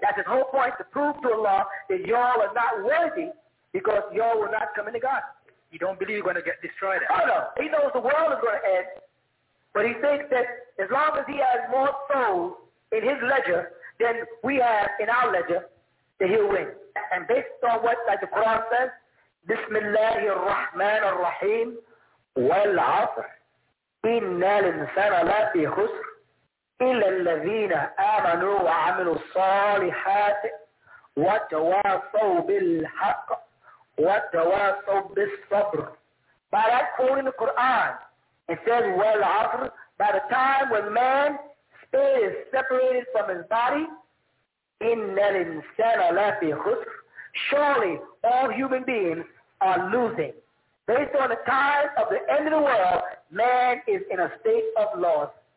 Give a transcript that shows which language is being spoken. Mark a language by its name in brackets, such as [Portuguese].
[English] That's his whole point, to prove to Allah that y'all are not worthy because y'all will not come into God. You don't believe you're going to get destroyed? Oh, no. He knows the world is going to end. But he thinks that as long as he has more souls in his ledger than we have in our ledger, that he'll win. And based on what like the Quran says, Bismillah ar-Rahman ar-Rahim, [Arabic] والعصر إن الإنسان لا في خسر إلا الذين آمنوا وعملوا الصالحات وتواصوا بالحق وتواصوا بالصبر. [English] By that quote in the Quran, it says [Arabic] والعصر, [English] by the time when man spirit is separated from his body, [Arabic] إن الإنسان لا في خسر, [English] surely all human beings are losing. Based on the time of the end of the world, man is in a state of loss.